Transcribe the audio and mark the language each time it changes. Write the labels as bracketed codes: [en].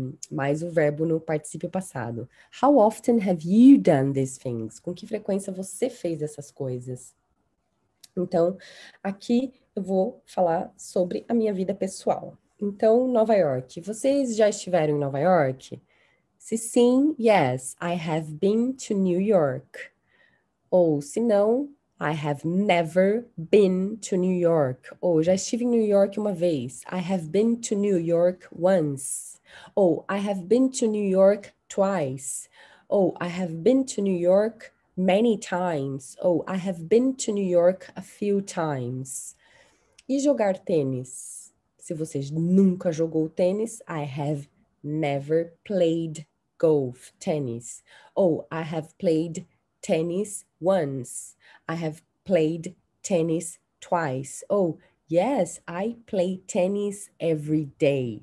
[pt] Mais o verbo no particípio passado. [en] How often have you done these things? [pt] Com que frequência você fez essas coisas? Então, aqui eu vou falar sobre a minha vida pessoal. Então, Nova York. Vocês já estiveram em Nova York? Se sim, [en] yes, I have been to New York. [pt] Ou se não, [en] I have never been to New York. [pt] Ou, já estive em New York uma vez. [en] I have been to New York once. [pt] Ou, [en] I have been to New York twice. Ou, I have been to New York many times. [pt] Ou, [en] I have been to New York a few times. [pt] E jogar tênis? Se vocês nunca jogou tênis, [en] I have never played golf tennis. [pt] Ou, [en] I have played tennis once. I have played tennis twice. Oh, yes, I play tennis every day.